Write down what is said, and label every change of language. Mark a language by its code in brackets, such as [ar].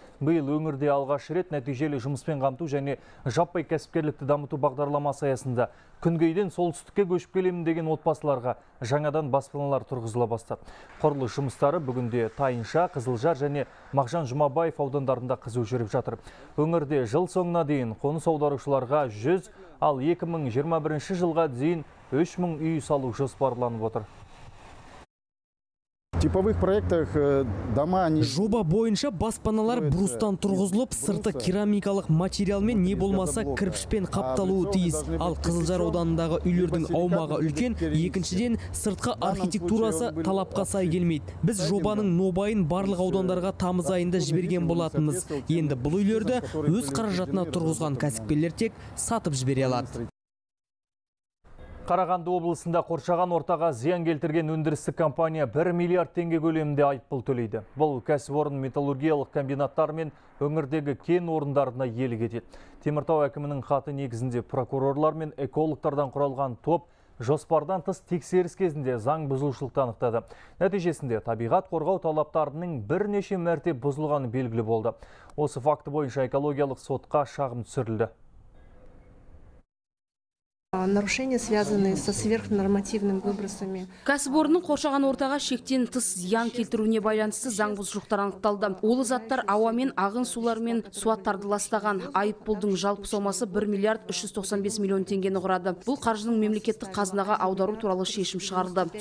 [kk] Биыл өңірде алғаш рет нәтижелі жұмыспен қамту және жаппай кәсіпкерлікті дамыту бағдарламасы аясында Күнгейден солтүстікке көшіп келемін деген отбасыларға жаңадан баспаналар тұрғызыла бастады. Құрылыс жұмыстары бүгінде Тайынша, Қызылжар және Мағжан Жұмабаев аудандарында қызу жүріп жатыр. Өңірде жыл соңына дейін қоныс аударушыларға 100, ал 2021 жылға дейін 3000 үй салу жоспарланып отыр. [ru] Типовых проектах дома они... [kk] Жоба бойынша баспаналар брустан тұрғызылып, сырты керамикалық материалмен не болмаса кірпішпен қапталуы тиіс. Ал Қызылжар ауданындағы үйлердің аумағы үлкен, екіншіден сыртқы архитектурасы талапқа сай келмейді. Біз жобаның нобайын барлық аудандарға тамыз айында жіберген болатынбыз. Енді бұл үйлерді өз қаражатына тұрғызған кәсіпкерлер тек сатып жібере алады. Қарағанды облысында қоршаған ортаға зиян келтірген өндірістік компания 1 миллиард теңге көлемінде айыппұл төлейді. Бұл кәсіпорын металлургиялық комбинаттар мен өңірдегі кен орындарына иелік етеді. Теміртау әкімінің хаты негізінде прокурорлар мен экологтардан құралған топ жоспардан тыс тексеріс кезінде заң бұзушылықты анықтады. Нәтижесінде табиғат қорғау талаптарының бірнеше мәрте бұзылғаны белгілі болды. Осы факті бойынша экологиялық сотқа шағым түсірілді. [ru] Нарушения, связанные со сверхнормативными выбросами. [kk] Кәсіпорынның қоршаған ортаға шектен тыс зиян келтіруіне байланысты заң бұзушылықтар анықталды. Ол заттар ауамен, ағын сулармен суаттарды ластаған. Айыппұлдың жалпы сомасы 1 миллиард 395 миллион теңгені құрады. Бұл қаржының мемлекеттік қазынаға аудару туралы шешім шығарылды.